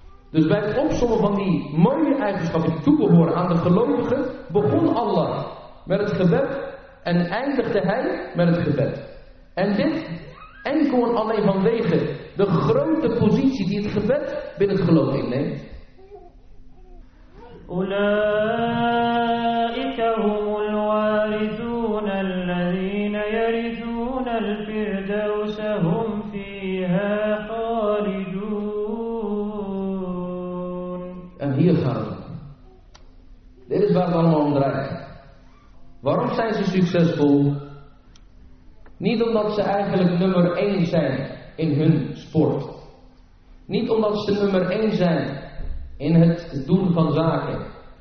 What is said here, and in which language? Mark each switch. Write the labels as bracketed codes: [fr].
[nl] Dus bij het opzommen van die mooie eigenschappen die toebehoren aan de gelovigen, begon Allah met het gebed en eindigde hij met het gebed. En dit enkel en alleen vanwege de grote positie die het gebed binnen het geloof inneemt. [ar] أولئك هم الوارثون الذين يرثون الفردوس هم فيها خالدون. [nl] En hier gaan we. Dit is waar het allemaal om draait. Waarom zijn ze succesvol? Niet omdat ze eigenlijk nummer 1 zijn in hun sport. Niet omdat ze nummer 1 zijn in het doen van zaken.